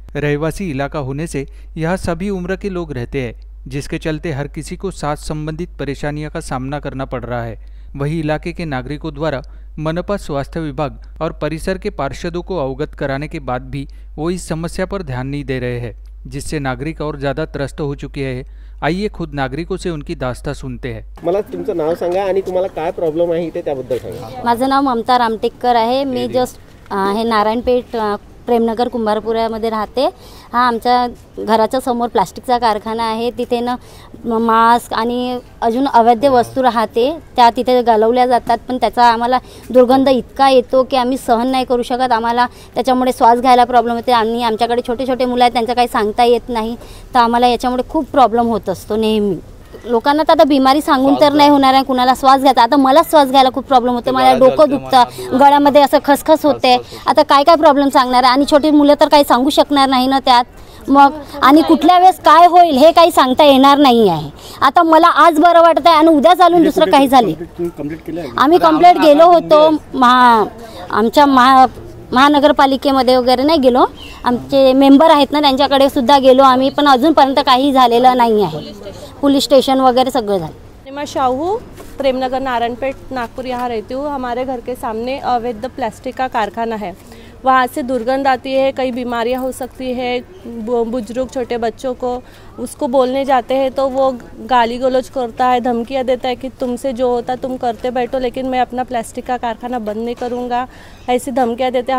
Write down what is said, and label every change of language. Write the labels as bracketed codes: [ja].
[hi] रहवासी इलाका होने से यहाँ सभी उम्र के लोग रहते हैं, जिसके चलते हर किसी को साथ संबंधित परेशानियों का सामना करना पड़ रहा है। वहीं इलाके के नागरिकों द्वारा मनपा स्वास्थ्य विभाग और परिसर के पार्षदों को अवगत कराने के बाद भी वो इस समस्या पर ध्यान नहीं दे रहे हैं, जिससे नागरिक और ज्यादा त्रस्त हो चुके हैं आइए खुद नागरिकों से उनकी दास्ता सुनते हैं। [mr] मला तुमचं नाव सांगा आणि तुम्हाला काय प्रॉब्लेम आहे इथे त्याबद्दल सांगा। माझं नाव ममता रामटेकर आहे। मी जस्ट हे नारायणपेठ प्रेमनगर कुंभारपुरामध्ये राहते। हा आमच्या घराच्या समोर प्लास्टिकचा कारखाना आहे। तिथे ना मास्क आणि अजून अवैध वस्तू राहते, त्या तिथे घालवल्या जातात। पण त्याचा आम्हाला दुर्गंध इतका येतो की आम्ही सहन नाही करू शकत। आम्हाला त्याच्यामुळे श्वास घ्यायला प्रॉब्लेम होते आणि आमच्याकडे छोटे छोटे मुलं आहेत, त्यांचा काही सांगता येत नाही। तर आम्हाला याच्यामुळे खूप प्रॉब्लेम होत असतो नेहमी। लोकांना तर आता बिमारी सांगून तर नाही होणार आहे, कुणाला श्वास घ्यायचा। आता मला श्वास घ्यायला खूप प्रॉब्लेम होते, मला डोकं दुखतं, गळ्यामध्ये असं खसखस होते। आता काय काय प्रॉब्लेम सांगणार आहे? आणि छोटी मुलं तर काही सांगू शकणार नाही ना त्यात मग। आणि कुठल्या वेळेस काय होईल हे काही सांगता येणार नाही आहे। आता मला आज बरं वाटत आहे आणि उद्या चालून दुसरं काही झाले। आम्ही कंप्लेंट गेलो होतो आमच्या महानगरपालिकेमध्ये वगैरे नाही गेलो, आमचे मेंबर आहेत ना त्यांच्याकडे सुद्धा गेलो आम्ही, पण अजूनपर्यंत काही झालेलं नाही आहे। [hi] पुलिस स्टेशन वगैरह सब [mr] झाले। [hi] मैं शाहू प्रेमनगर नारायणपेठ नागपुर यहाँ रहती हूँ। हमारे घर के सामने अवैध प्लास्टिक का कारखाना है, वहाँ से दुर्गंध आती है, कई बीमारियाँ हो सकती है बुजुर्ग छोटे बच्चों को। उसको बोलने जाते हैं तो वो गाली गलौज करता है, धमकियाँ देता है कि तुमसे जो होता तुम करते बैठो, लेकिन मैं अपना प्लास्टिक का कारखाना बंद नहीं करूँगा, ऐसी धमकियाँ देते हैं।